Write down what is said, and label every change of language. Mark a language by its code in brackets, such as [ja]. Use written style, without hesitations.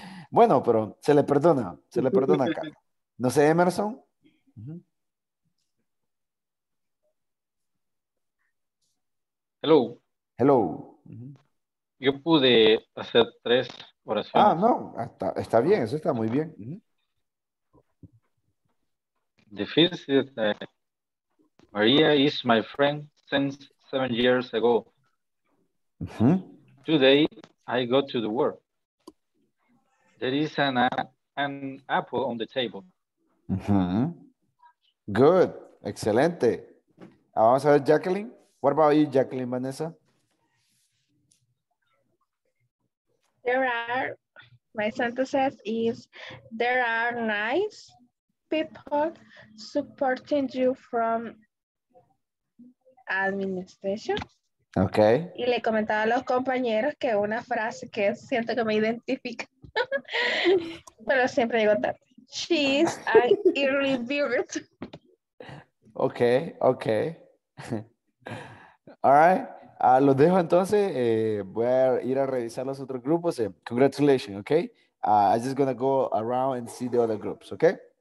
[es] Bueno, pero se le perdona acá. No sé, Emerson. [en] Hello. Hello. [es] Yo pude hacer tres oraciones. Ah, no, está bien, eso está muy bien. [en] The first is Maria is my friend since 7 years ago. Mm-hmm. Today I go to the work. There is an apple on the table. [es] Mm-hmm. Good, excelente. Vamos a ver, Jacqueline. [en] What about you, Jacqueline Vanessa? There are, my sentence is, there are nice people supporting you from administration. Okay. [es] Y le comentaba a los compañeros que una frase que siento que me identifica, pero siempre digo tarde. [en] She's an early bird. Okay, okay. All right. [es] Los dejo entonces, voy a ir a revisar los otros grupos. [en] Congratulations, okay? I'm just gonna go around and see the other groups, okay?